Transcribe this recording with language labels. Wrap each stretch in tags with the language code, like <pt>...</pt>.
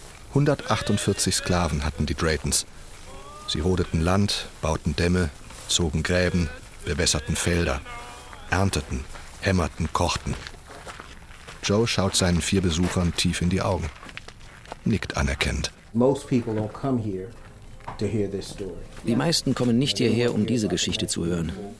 <de>148 Sklaven hatten die Draytons. Sie rodeten Land, bauten Dämme, zogen Gräben, bewässerten Felder, ernteten, hämmerten, kochten. Joe schaut seinen 4 Besuchern tief in die Augen, nickt anerkennend.</de> <en>Most people don't come here to hear this story.</en> <de>Die meisten kommen nicht hierher, um diese Geschichte zu hören.</de>